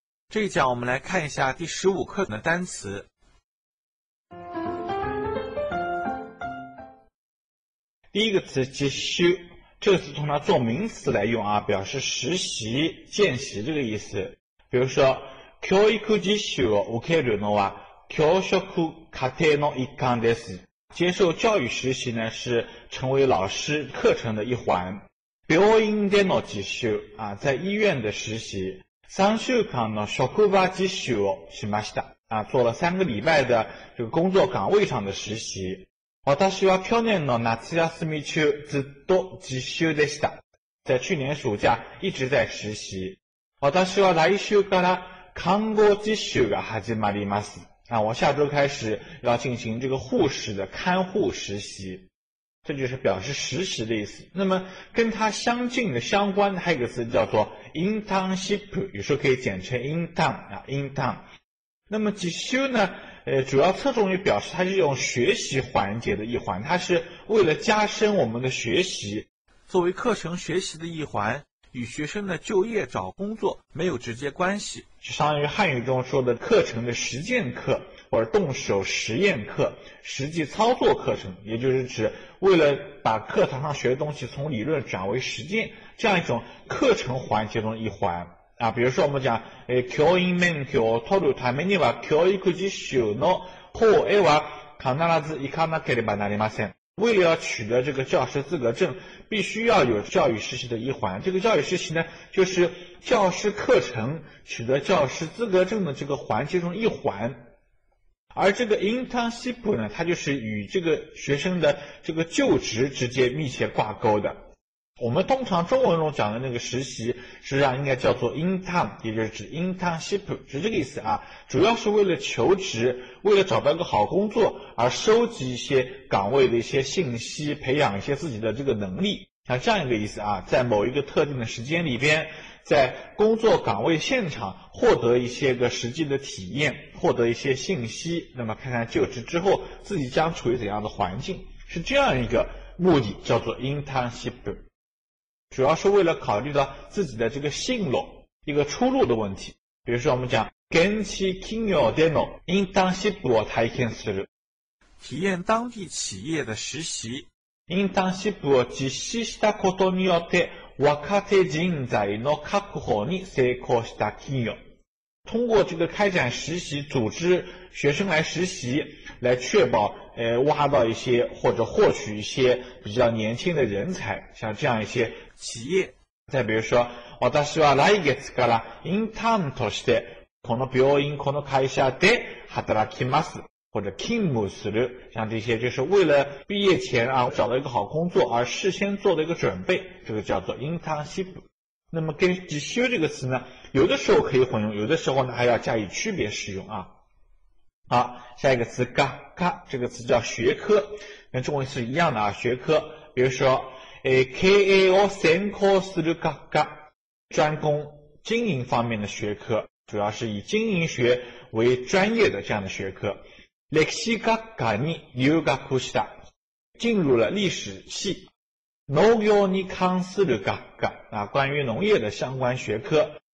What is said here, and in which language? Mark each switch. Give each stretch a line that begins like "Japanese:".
Chinese: 这一讲我们来看一下第十五课的单词。第一个词急修，这个词通常做名词来用啊，表示实习、见习这个意思。比如说，
Japanese: 教育実習を受けるのは教職課程の一環です。
Chinese: 接受教育实习呢，是成为老师课程的一环。
Japanese: 病院での実習啊，
Chinese: 在医院的实习。
Japanese: 三週間の職場実習をしました。
Chinese: 啊，做了三个礼拜的这个工作岗位上的实习。
Japanese: 私は去年の夏休み中ずっと実習でした。
Chinese: 在去年暑假一直在实习。
Japanese: 私は来週から看護実習が始まります。
Chinese: 啊，我下周开始要进行这个护士的看护实习。这就是表示实习的意思。那么跟它相近的、相关的还有一个词叫做 internship， 有时候可以简称 intern 啊 ，intern。那么実習呢，主要侧重于表示它是一种学习环节的一环，它是为了加深我们的学习，作为课程学习的一环，与学生的就业找工作没有直接关系，就相当于汉语中说的课程的实践课。或者动手实验课，实际操作课程，也就是指为了把课堂上学的东西从理论转为实践，这样一种课程环节中一环啊。比如说我们讲，
Japanese: 教員免許を取るためには教育実習の方へは必ず行かなければなりません。
Chinese: 为了要取得这个教师资格证，必须要有教育实习的一环。这个教育实习呢，就是教师课程取得教师资格证的这个环节中一环。而这个 internship 呢，它就是与这个学生的这个就职直接密切挂钩的。我们通常中文中讲的那个实习，实际上应该叫做 intern， 也就是指 internship， 是这个意思啊。主要是为了求职，为了找到一个好工作而收集一些岗位的一些信息，培养一些自己的这个能力，像这样一个意思啊。在某一个特定的时间里边，在工作岗位现场获得一些个实际的体验，获得一些信息，那么看看就职之后自己将处于怎样的环境，是这样一个目的，叫做 internship， 主要是为了考虑到自己的这个信路，一个出路的问题。比如说我们讲
Japanese: 現地企業での internship を体験する，
Chinese: 体验当地企业的实习。
Japanese: internship を実施したことによって若手人材の確保に成功した企業，
Chinese: 通过这个开展实习，组织学生来实习，来确保挖到一些或者获取一些比较年轻的人才，像这样一些企业。再比如说，
Japanese: 私は来月からインターンとしてこの病院この会社で働きます，
Chinese: 或者勤務する，像这些就是为了毕业前啊找到一个好工作而事先做的一个准备，这个叫做 internship。那么跟実習这个词呢，有的时候可以混用，有的时候呢还要加以区别使用啊。好，下一个词学科，这个词叫学科，跟中文是一样的啊，学科。比如说
Japanese: 経営を専攻する学科，
Chinese: 专攻经营方面的学科，主要是以经营学为专业的这样的学科。
Japanese: 歴史学科に入学した，
Chinese: 进入了历史系。
Japanese: 農業に関する学科，
Chinese: 啊，关于农业的相关学科。